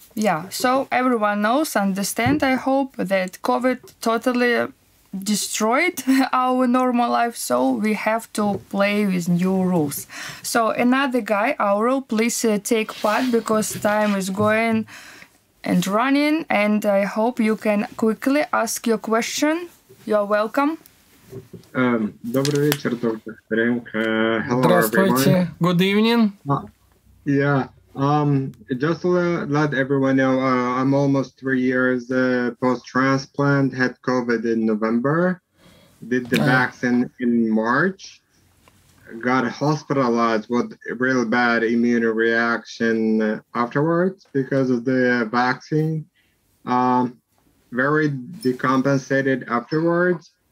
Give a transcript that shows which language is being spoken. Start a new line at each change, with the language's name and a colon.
English: Yeah, so everyone knows, understand, I hope, that COVID totally destroyed our normal life, so we have to play with new rules. So another guy, Aurel, please take part, because time is going and running, and I hope you can quickly ask your question. You're welcome.
Russian: Добрый вечер, доктор Спринг. Здравствуйте.
English: Good evening. Just to let everyone know, I'm almost 3 years post-transplant, had COVID in November, did the vaccine in March, got hospitalized with real bad immune reaction afterwards because of the vaccine, very decompensated afterwards.